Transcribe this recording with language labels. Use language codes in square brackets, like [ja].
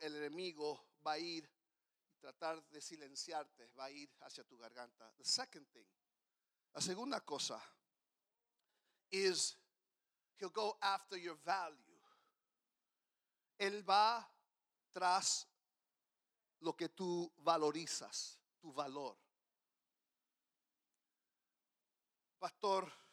[es] El enemigo va a ir tratar de silenciarte, va a ir hacia tu garganta. [en] The second thing, [es] la segunda cosa, [en] is he'll go after your value. [es] Él va tras lo que tú valorizas, tu valor. Pastor,